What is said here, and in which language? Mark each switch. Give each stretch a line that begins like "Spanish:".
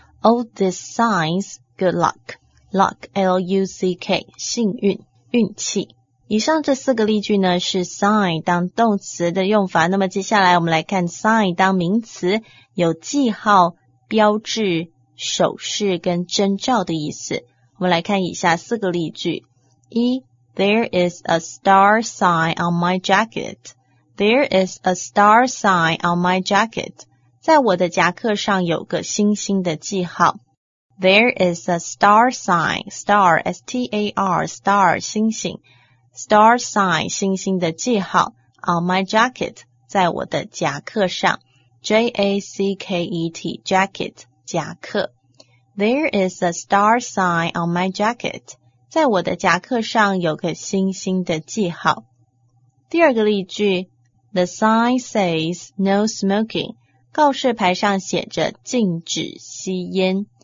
English: All these signs good luck， luck L-U-C-K
Chinese: 幸运运气。以上这四个例句呢是 sign 当动词的用法。那么接下来我们来看 sign 当名词有记号、标志、手势跟征兆的意思。我们来看以下四个例句。
English: 一， There is a star sign on my jacket. There is a star sign on my jacket.
Chinese: 在我的夹克上有个星星的记号。
English: There is a star sign, star, S-T-A-R, star, 星星。 Star sign,
Chinese: 星星的记号
English: on my jacket,
Chinese: 在我的夹克上。
English: J-A-C-K-E-T, jacket, 夹克。 There is a star sign on my jacket.
Chinese: 在我的夹克上有个星星的记号。第二个例句，
English: The sign says no smoking.
Chinese: 告示牌上写着禁止吸烟。